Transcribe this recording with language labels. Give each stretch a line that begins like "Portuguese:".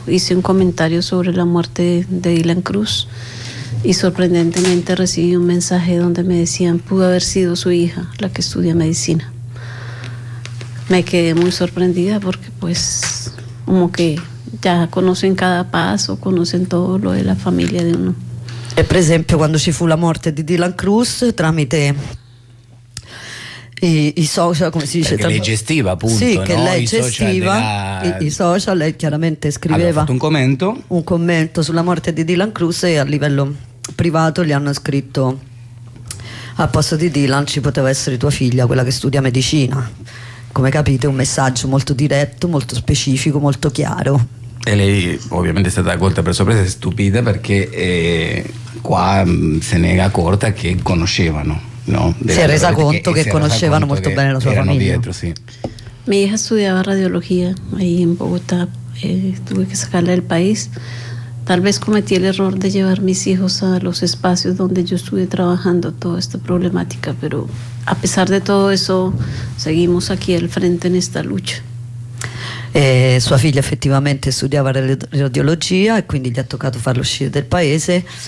Spanish: Hice un comentario sobre la muerte de Dylan Cruz y sorprendentemente recibí un mensaje donde me decían pudo haber sido su hija la que estudia medicina. Me quedé muy sorprendida porque pues como que ya conocen cada paso, conocen todo lo de la familia de uno.
Italian: E per esempio quando ci fu la morte di Dylan Cruz tramite i social, come si dice, che lei gestiva appunto, sì, no? Che lei gestiva i social, lei chiaramente scriveva, aveva fatto un commento sulla morte di Dylan Cruz e a livello privato gli hanno scritto al posto di Dylan ci poteva essere tua figlia, quella che studia medicina, come capite un messaggio molto diretto, molto specifico, molto chiaro. E lei ovviamente è stata colta per sorpresa, stupita, perché qua se ne è accorta che conoscevano. No, si è resa conto che conoscevano molto bene la sua famiglia. Dietro, sì.
Spanish: Mi hija
Italian: studiava
Spanish: radiologia ahí en Bogotá, tuve que sacarla del país. Tal vez cometí el error de llevar mis hijos a los espacios donde yo estuve trabajando toda esta problemática, pero a pesar de todo eso seguimos aquí al frente en esta lucha.
Italian: Sua figlia effettivamente studiava radiologia e quindi gli ha toccato farlo uscire del paese.